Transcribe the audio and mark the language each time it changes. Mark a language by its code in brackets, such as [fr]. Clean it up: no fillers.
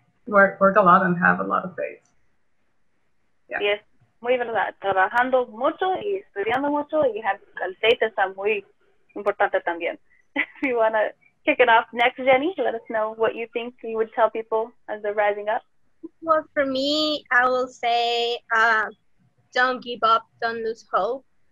[en] Work a lot and have a lot of faith. Yeah. Yes, [es] muy verdad. Trabajando mucho y estudiando mucho y el faith está muy importante también. [en] If you want to kick it off next, Jenny, let us know what you think you would tell people as they're rising up. Well, for me, I will say don't give up, don't lose hope.